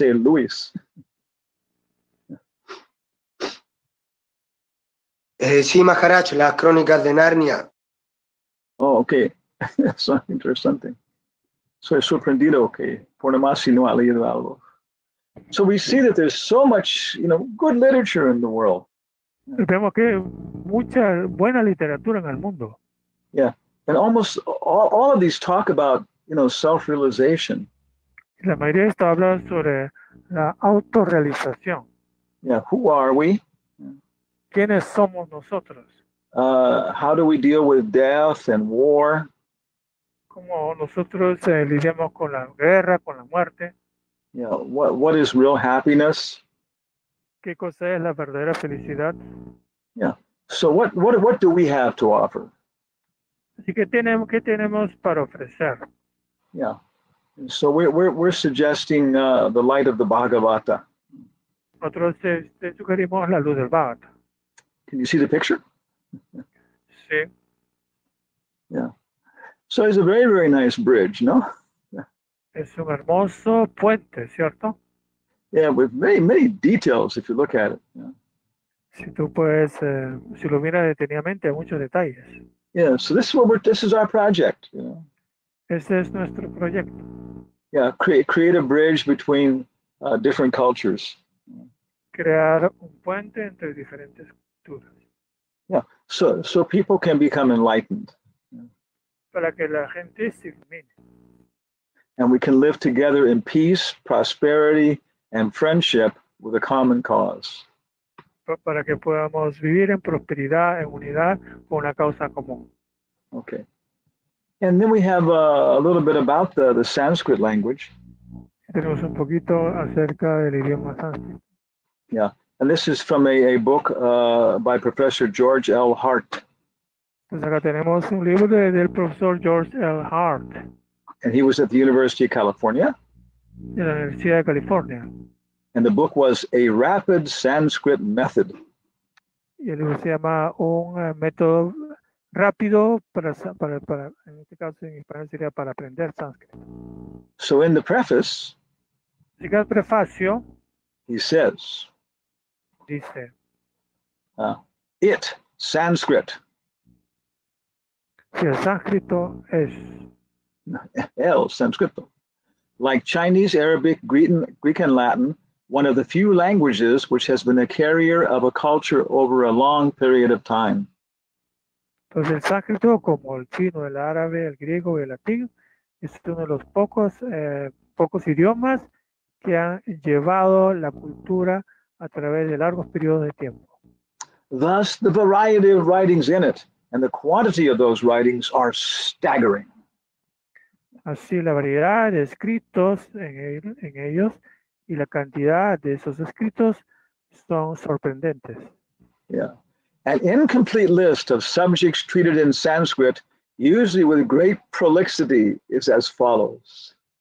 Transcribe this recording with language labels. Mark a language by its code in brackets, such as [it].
[en] Lewis. [es] Sí, Maharaj, la crónica de Narnia. Oh, okay. Eso es interesante. Soy sorprendido que por lo más si no ha leído algo. [en] So we see that there's so much, you know, good literature in the world. [es] Vemos que mucha buena literatura en el mundo. [en] Yeah, and almost all of these talk about, you know, self-realization. [es] La mayoría de esto habla sobre la autorrealización. [en] Yeah, who are we? [es] ¿Quiénes somos nosotros? [en] How do we deal with death and war? [es] ¿Cómo nosotros lidiamos con la guerra, con la muerte? [en] You know, what is real happiness? [es] ¿Qué cosa es la verdadera felicidad? [en] Yeah. So what do we have to offer? [es] Así que ¿qué tenemos para ofrecer? [en] Yeah. So we're suggesting the light of the Bhagavata. [es] Nosotros te sugerimos la luz del Bhagavata. [en] Can you see the picture? [es] Sí. [en] Yeah. So it's a very, very nice bridge, no? [es] Es un hermoso puente, ¿cierto? [en] Yeah, with many, many details if you look at it. Yeah. [es] Si tú puedes, si lo miras detenidamente, muchos detalles. [en] Yeah, so this is our project. You know? [es] Este es nuestro proyecto. [en] Yeah, create a bridge between different cultures. [es] Crear un puente entre diferentes culturas. [en] Yeah, so people can become enlightened. [es] Para que la gente se ilumine. [en] And we can live together in peace, prosperity, and friendship with a common cause. [es] Para que podamos vivir en prosperidad, en unidad, con una causa común. [en] Okay. And then we have a little bit about the Sanskrit language. [es] Tenemos un poquito acerca del idioma sánscrito. [en] Yeah. And this is from a book by Professor George L. Hart. [es] Pues acá tenemos un libro del profesor George L. Hart. [en] And he was at the University of California. [es] De la Universidad de California. [en] And the book was A Rapid Sanskrit Method. [es] Y el libro se llama Un Método Rápido para en este caso en español sería para aprender sánscrito. [en] So in the preface, [es] en el prefacio, [en] he says, [es] dice, [en] it, Sanskrit. [es] Si el sánscrito es. El sánscrito, [en] like Chinese, Arabic, Greek, and Latin, one of the few languages which has been a carrier of a culture over a long period of time. [es] Entonces el sánscrito, como el chino, el árabe, el griego y el latín, es uno de los pocos idiomas que han llevado la cultura a través de largos periodos de tiempo. [en] Thus, the variety of writings in it and the quantity of those writings are staggering. [es] Así la variedad de escritos en ellos y la cantidad de esos escritos son sorprendentes. [en] Yeah. An incomplete list of subjects treated in Sanskrit, usually with great prolixity, is as follows.